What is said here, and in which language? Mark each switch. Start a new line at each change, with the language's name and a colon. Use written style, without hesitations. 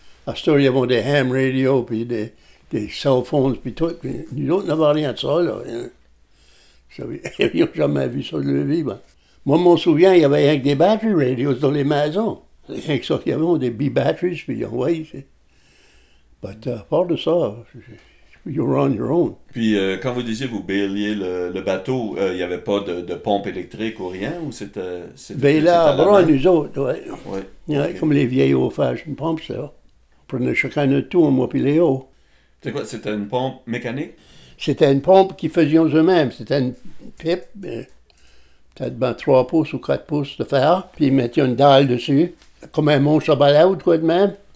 French: À ce temps, il y avait des ham radio, puis des cell phones, puis tout. Puis nous autres n'avons rien de ça, là. Ils n'ont jamais vu ça de leur vie, ben. Moi, je m'en souviens, il y avait rien que des battery radios dans les maisons. Rien que ça qu'il y avait, des B-batteries, puis on voyait. Mais à part de ça,
English: you're on your own.
French: Puis quand vous disiez que vous bailiez le bateau, il n'y avait pas de pompe électrique ou rien? Ou c'était bien là, à bras, nous autres, oui. Ouais, okay. Comme les vieilles eaux-fâches, une pompe, ça. On prenait chacun notre tour, moi puis Léo. C'était quoi? C'était une pompe mécanique? C'était une pompe qu'ils faisions eux-mêmes. C'était une pipe... peut-être ben 3 pouces ou 4 pouces de fer, puis ils mettaient une dalle dessus, comme un manche à balai ou quoi de même.